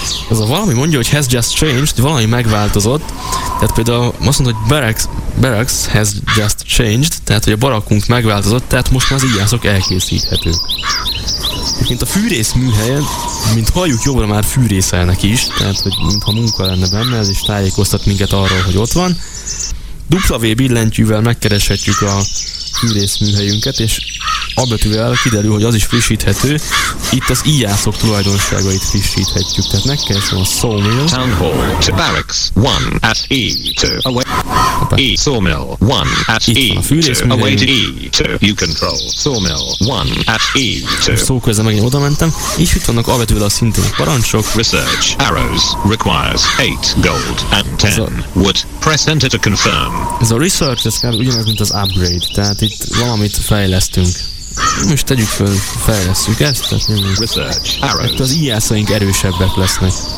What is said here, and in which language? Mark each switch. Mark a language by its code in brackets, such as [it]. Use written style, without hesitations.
[hu] Ez a valami mondja, hogy [en] has just changed, [hu] valami megváltozott. Tehát például azt mondta, hogy [en] barracks has just changed, [hu] tehát hogy a barakkunk megváltozott, tehát most már az íjászok elkészíthetők. Mint a fűrész műhelyen, mint halljuk, jobbra már fűrészelnek is, tehát hogy mintha munka lenne benne, ez is tájékoztat minket arról, hogy ott van. W billentyűvel megkereshetjük a fűrész műhelyünket, és A betűvel kiderül, hogy az is frissíthető. Itt az íjászok tulajdonságait frissíthetjük, tehát megkeresem a sawmill. [en] Town hall to barracks, one at E2, away. Opa. E sawmill, one at E2, away to E2, you control, sawmill, one at E2. [hu] Szó közben megint oda mentem, és itt vannak A betűvel a szintén a parancsok. [en] Research arrows requires 8 gold and 10 wood. Press enter to confirm. [hu] Ez a research, ez kell ugyanaz, mint az upgrade, tehát itt valamit fejlesztünk. Most tegyük föl, fejlesszük ezt, tehát nyomjuk. [en] Research, arrows. [hu] Az íjászaink erősebbek lesznek.